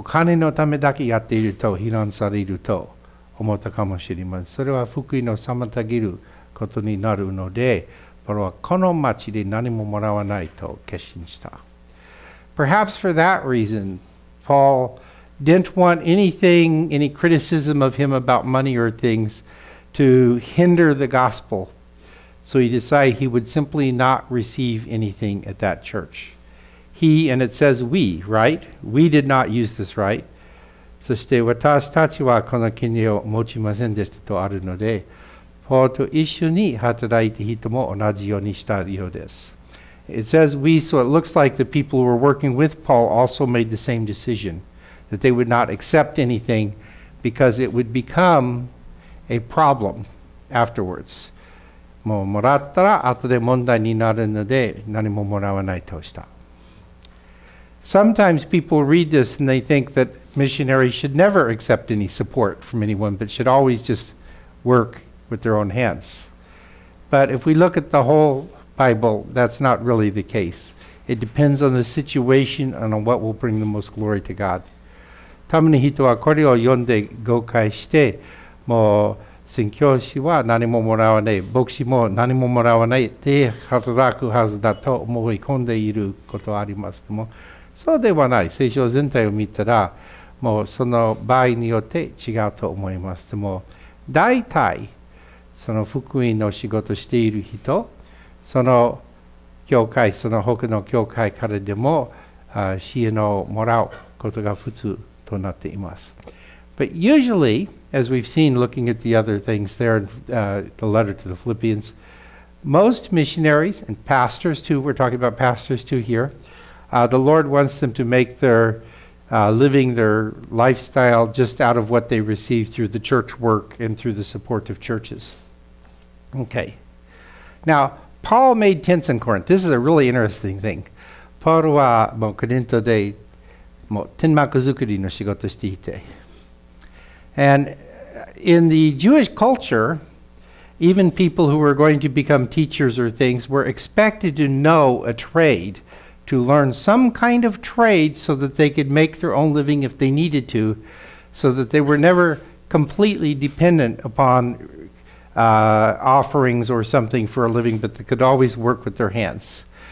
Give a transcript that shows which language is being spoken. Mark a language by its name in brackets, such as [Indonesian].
[Japanese] お金のためだけやっていると非難されると思ったかもしれません。それは福音を妨げることになるので、ポールはこの町で何ももらわないと決心した。 [English] Perhaps for that reason, Paul didn't want anything, any criticism of him about money or things to hinder the gospel. So he decided he would simply not receive anything at that church. He, and it says we, right? We did not use this right. [Japanese] そして私たちはこの権利を持ちませんでしたとあるので、ポールと一緒に働いた人も同じようにしたようです。 [English] It says we, so it looks like the people who were working with Paul also made the same decision, that they would not accept anything because it would become a problem afterwards. [Japanese] もうもらったら後で問題になるので何ももらわないとした。 [English] Sometimes people read this and they think that missionaries should never accept any support from anyone, but should always just work with their own hands. But if we look at the whole Bible, that's not really the case. It depends on the situation and on what will bring the most glory to God. [Japanese] たまに人はこれを読んで誤解して、もう宣教師は何ももらわない、牧師も何ももらわないって働くはずだと思い込んでいることはありますけども、そうではない。聖書全体を見たら、もうその場合によって違うと思いますけども、大体その福音の仕事をしている人、その教会、その他の教会からでも支援をもらうことが普通となっています。 [English] But usually, as we've seen looking at the other things there in the letter to the Philippians, most missionaries and pastors too, we're talking about pastors too here, the Lord wants them to make their living their lifestyle just out of what they receive through the church work and through the support of churches. Okay. Now, Paul made tents in Corinth. This is a really interesting thing. [Japanese] Paul はもうコリントでもう天幕作りの仕事していて。 [English] And in the Jewish culture, even people who were going to become teachers or things were expected to know a trade, to learn some kind of trade so that they could make their own living if they needed to, so that they were never completely dependent upon offerings or something for a living, but they could always work with their hands.